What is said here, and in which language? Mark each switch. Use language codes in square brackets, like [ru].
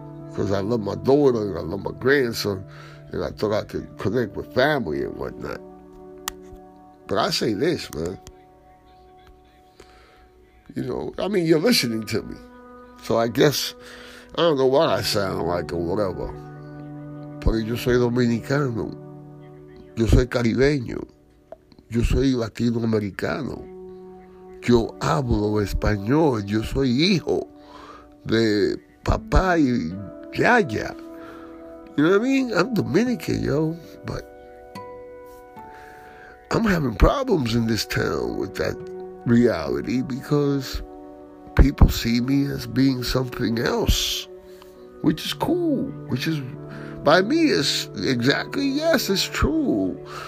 [en] Because I love my daughter and I love my grandson, and I thought I could connect with family and whatnot. But I say this, man. You know, I mean, you're listening to me. So I guess, I don't know what I sound like or whatever. [es] Pero yo soy dominicano. Yo soy caribeño. Yo soy latinoamericano. Yo hablo español. Yo soy hijo de papá y Yaya. [en] You know what I mean? I'm Dominican, yo. But I'm having problems in this town with that reality because people see me as being something else, which is cool, which is by me is exactly, yes, it's true.